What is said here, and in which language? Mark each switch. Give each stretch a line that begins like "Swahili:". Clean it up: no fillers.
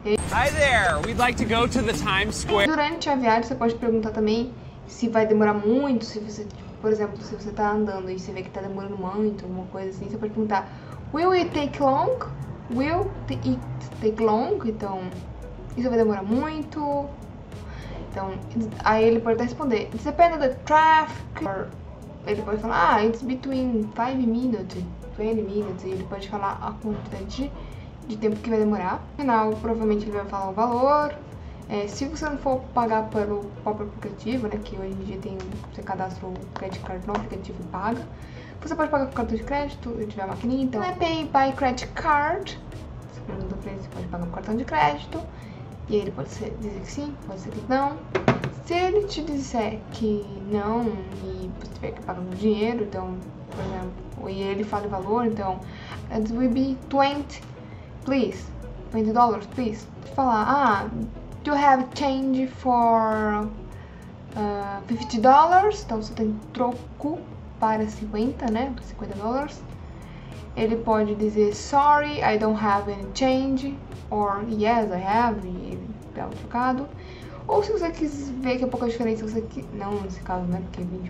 English: Hi there, we'd like to go to the Times Square.
Portuguese: Durante a viagem, você pode perguntar também se vai demorar muito, se você, por exemplo, se você tá andando e você vê que tá demorando muito, alguma coisa assim, você pode perguntar,
English: will it take long? Will it take long?
Portuguese: Então, isso vai demorar muito? Então, aí ele pode até responder,
English: it's depending on the traffic, or
Portuguese: ele pode falar, ah,
English: it's between 5 minutes, 20 minutes,
Portuguese: e ele pode falar a quantidade de tempo que vai demorar. No final, provavelmente ele vai falar o valor, se você não for pagar pelo próprio aplicativo, né, que hoje em dia tem, você cadastra o credit card no aplicativo e paga, você pode pagar com cartão de crédito, se tiver a maquininha, então, é
English: pay by credit card,
Portuguese: você pergunta pra ele, você pode pagar com cartão de crédito, e aí ele pode dizer que sim, pode ser que não. Se ele te disser que não e você tiver que pagar no dinheiro, então, por exemplo, e ele fala o valor, então,
English: it will be 20, please. $20, please.
Portuguese: Pode falar, ah,
English: do you have change for $50?
Portuguese: Então você tem troco para 50, né?
English: $50.
Portuguese: Ele pode dizer,
English: sorry, I don't have any change. Or, yes, I have.
Portuguese: E ele dá um trocado. Ou se você quis ver que é pouca diferença, você quis... Não, nesse caso, né? Porque é 20.